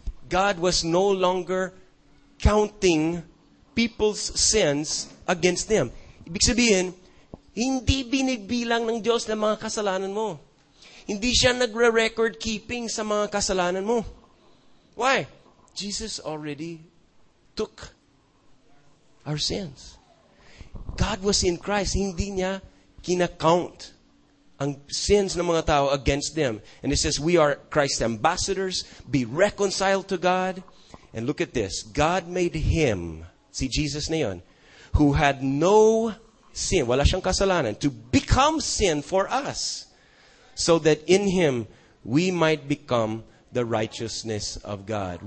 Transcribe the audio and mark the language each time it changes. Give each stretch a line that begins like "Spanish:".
English: God was no longer counting people's sins against them.
Filipino: Ibig sabihin, hindi binibilang ng Diyos ng mga kasalanan mo. Hindi siya nagre-record keeping sa mga kasalanan mo.
English: Why? Jesus already took our sins. God was in Christ.
Filipino: Hindi niya kina-count ang sins ng mga tao
English: against them. And it says, we are Christ's ambassadors. Be reconciled to God. And look at this. God made Him, see Jesus na yun, who had no sin,
Filipino: wala siyang kasalanan,
English: to become sin for us so that in Him we might become the righteousness of God.